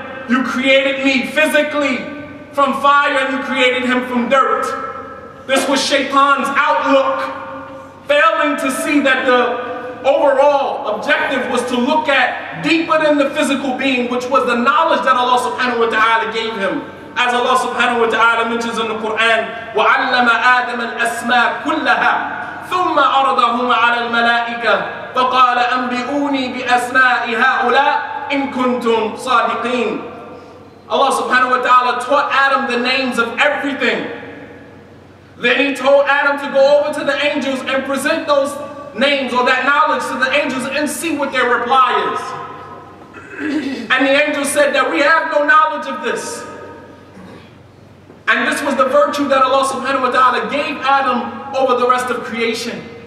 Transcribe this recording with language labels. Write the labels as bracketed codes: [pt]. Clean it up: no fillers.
[en] You created me physically from fire and you created him from dirt. This was Shaitan's outlook, failing to see that the overall objective was to look at deeper than the physical being, which was the knowledge that Allah subhanahu wa ta'ala gave him. As Allah subhanahu wa ta'ala mentions in the Quran, [ar] وَعَلَّمَ آدَمَ الْأَسْمَى كُلَّهَا ثُمَّ عَرَضَهُمَ عَلَى الْمَلَائِكَةِ فَقَالَ أَنْبِئُونِي بِأَسْمَاءِ هَؤُلَاءِ إِن كُنْتُمْ صَادِقِينَ. [en] Allah subhanahu wa ta'ala taught Adam the names of everything. Then he told Adam to go over to the angels and present those names or that knowledge to the angels and see what their reply is. And the angels said that we have no knowledge of this. And this was the virtue that Allah subhanahu wa ta'ala gave Adam over the rest of creation.